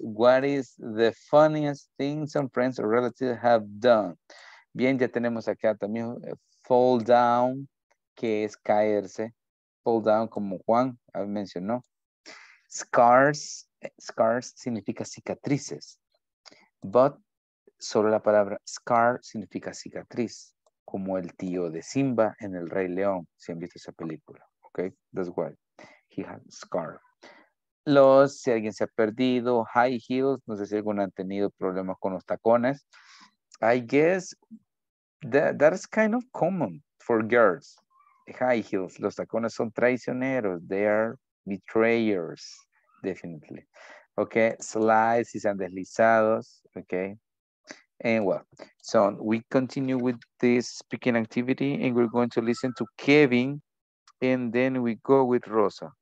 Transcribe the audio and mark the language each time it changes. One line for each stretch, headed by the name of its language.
English: What is the funniest thing some friends or relatives have done?
Spanish: Bien, ya tenemos acá también fall down, que es caerse. Fall down, como Juan mencionó. Scars significa cicatrices. But solo la palabra scar significa cicatriz, como el tío de Simba en El Rey León, si han visto esa película.
English: Okay, that's why he has scar.
Spanish: Los, si alguien se ha perdido, high heels, no sé si alguno ha tenido problemas con los tacones.
English: I guess that is kind of common for girls.
Spanish: High heels, los tacones son traicioneros,
English: they are betrayers, definitely.
Spanish: Okay, slides, si se han deslizado, okay.
English: And well, so we continue with this speaking activity and we're going to listen to Kevin and then we go with Rosa.